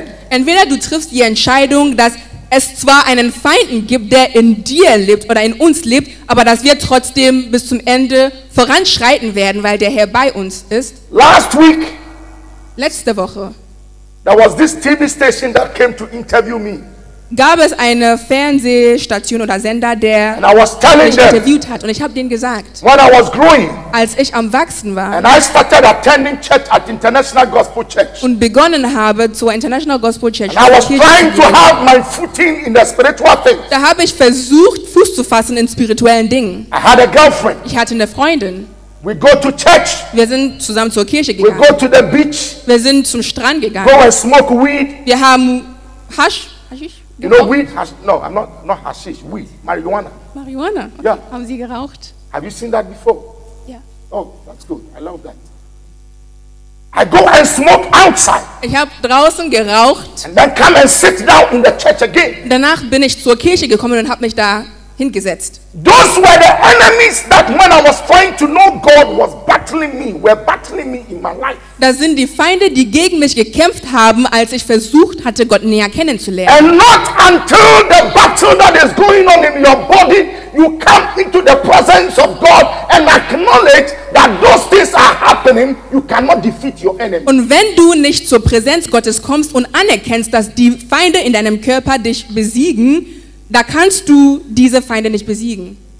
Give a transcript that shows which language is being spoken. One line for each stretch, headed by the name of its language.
German: Entweder du triffst die Entscheidung, dass es zwar einen Feind gibt, der in dir lebt oder in uns lebt, aber dass wir trotzdem bis zum Ende voranschreiten werden, weil der Herr bei uns ist. Letzte Woche.
English: There was this TV station that came to interview me.
German: Gab es eine Fernsehstation oder Sender, der mich interviewt hat? Und ich habe denen gesagt,
English: when I was growing,
German: als ich am Wachsen war,
English: and I started attending church at International Gospel Church,
German: und begonnen habe zur International Gospel Church,
English: and I was trying to have my footing in the spiritual thing.
German: Da habe ich versucht, Fuß zu fassen in spirituellen Dingen.
English: I had a girlfriend.
German: Ich hatte eine Freundin.
English: We go to church.
German: Wir sind zusammen zur Kirche gegangen.
English: We go to the beach.
German: Wir sind zum Strand gegangen.
English: Go and smoke weed.
German: Wir haben Hashish.
English: You know weed? Not hashish. Weed. Marijuana. Marijuana. Yeah.
German: Haben Sie geraucht?
English: Have you seen that before? Yeah. Oh, that's good. I love that. I go and smoke outside.
German: Ich habe draußen geraucht.
English: And then come and sit down in the church again.
German: Danach bin ich zur Kirche gekommen und habe mich da hingesetzt.
English: Those were the enemies that when I was trying to know God was battling me in my life.
German: Das sind die Feinde, die gegen mich gekämpft haben, als ich versucht hatte, Gott näher kennenzulernen.
English: And not until the battle that is going on in your body, you come into the presence of God and acknowledge that those things are happening, you cannot defeat your enemy.
German: Und wenn du nicht zur Präsenz Gottes kommst und anerkennst, dass die Feinde in deinem Körper dich besiegen, da kannst du diese Feinde nicht besiegen.